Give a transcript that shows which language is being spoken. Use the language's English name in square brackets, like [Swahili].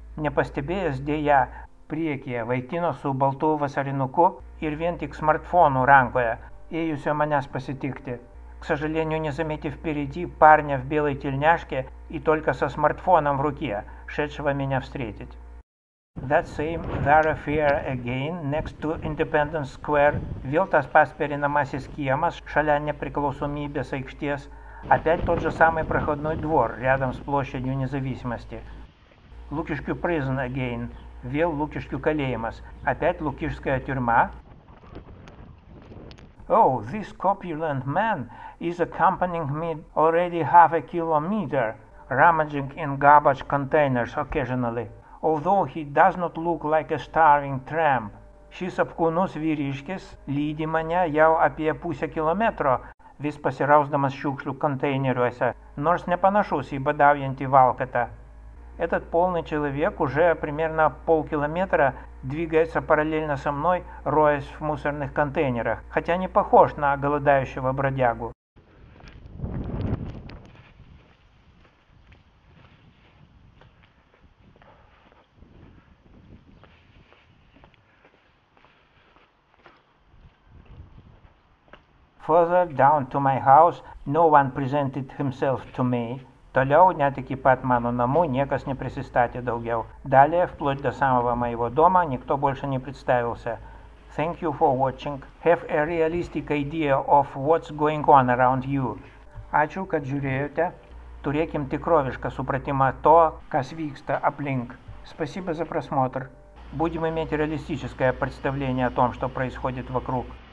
[Lithuanian] Nepastebėjęs dėja priekyje vaikino su baltu vasarinuku ir vien tik smartfonu rankoje. Ėjusio manęs pasitikti. [Russian] К сожалению, не заметив впереди парня в белой тельняшке и только со смартфоном в руке, шедшего меня встретить. [English] That same thoroughfare again, next to Independence Square, [Lithuanian] vėl tas pats pereinamasis kiemas, šalia nepriklausomybės aikštės, [Russian] опять тот же самый проходной двор, рядом с площадью независимости. [English] Лукишкю prison again, [Lithuanian] vėl Лукишкю kalėjimas, [Russian] опять Лукишская тюрьма, [English] Oh, this corpulent man is accompanying me already half a kilometer, rummaging in garbage containers occasionally, although he does not look like a starving tramp. [Lithuanian] Šis apkūnus vyriškis lydi mane jau apie pusę kilometro, vis pasirausdamas šiukšlių konteineriuose, nors nepanašus į badaujantį valkatą. [Russian] Этот полный человек уже примерно полкилометра двигается параллельно со мной, роясь в мусорных контейнерах, хотя не похож на голодающего бродягу. [English] Further down to my house, no one presented himself to me. [Lithuanian] Toliau, net iki pat mano namų, niekas neprisistatė daugiau. [Russian] Далее, вплоть до самого моего дома, никто больше не представился. [English] Thank you for watching. Have a realistic idea of what's going on around you. [Lithuanian] Ačiū, kad žiūrėjote. Turėkim tikrovišką supratimą to, kas vyksta aplink. [Russian] Спасибо за просмотр. Будем иметь реалистическое представление о том, что происходит вокруг.